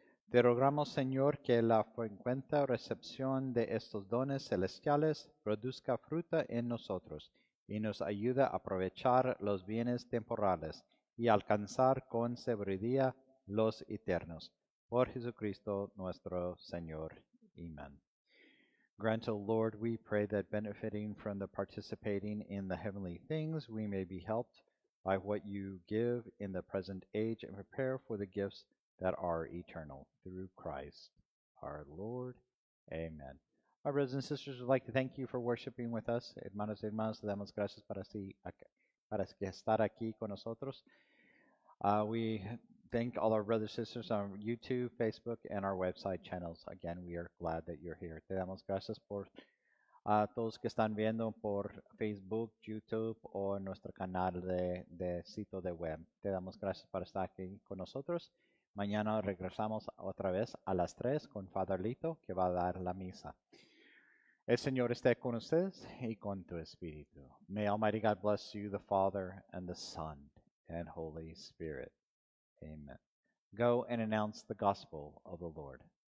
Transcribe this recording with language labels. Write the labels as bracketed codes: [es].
[es] Te rogamos, Señor, que la frecuente recepción de estos dones celestiales produzca fruto en nosotros y nos ayude a aprovechar los bienes temporales y alcanzar con sabiduría los eternos. Por Jesucristo nuestro Señor. Amen. [en] Grant, O Lord, we pray that benefiting from the participating in the heavenly things, we may be helped by what you give in the present age and prepare for the gifts that are eternal. Through Christ our Lord. Amen. Our brothers and sisters, would like to thank you for worshiping with us. [es] Hermanos y hermanas, damos gracias para estar aquí con nosotros. [en] We thank all our brothers and sisters on YouTube, Facebook, and our website channels. Again, we are glad that you're here. [es] Te damos gracias por a todos que están viendo por Facebook, YouTube o nuestro canal de sitio de web. Te damos gracias por estar aquí con nosotros. Mañana regresamos otra vez a las 3 con Father Lito, que va a dar la misa. El Señor esté con ustedes y con tu espíritu. [en] May Almighty God bless you, the Father, and the Son, and Holy Spirit. Amen. Go and announce the gospel of the Lord.